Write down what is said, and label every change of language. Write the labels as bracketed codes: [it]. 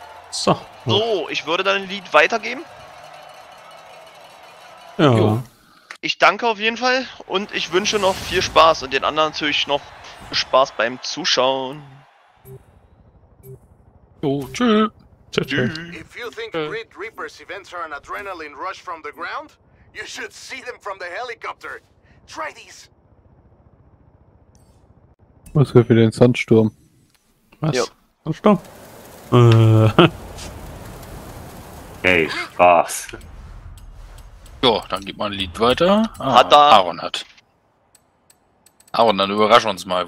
[de] So. So, ich würde dann ein Lied weitergeben. Ja. Jo. Ich danke auf jeden Fall und ich wünsche noch viel Spaß und den anderen natürlich noch Spaß beim Zuschauen. Jo, tschüss. [en] If you think Grid Reapers events are an adrenaline rush from the ground, you should see them from the helicopter. Try these. [de] Was wäre für den Sandsturm? Was? Jo. Sandsturm? Hey, Spaß. Jo, dann gib mal ein Lied weiter. Ah, hat da. Aaron hat. Aaron, dann überrasch uns mal.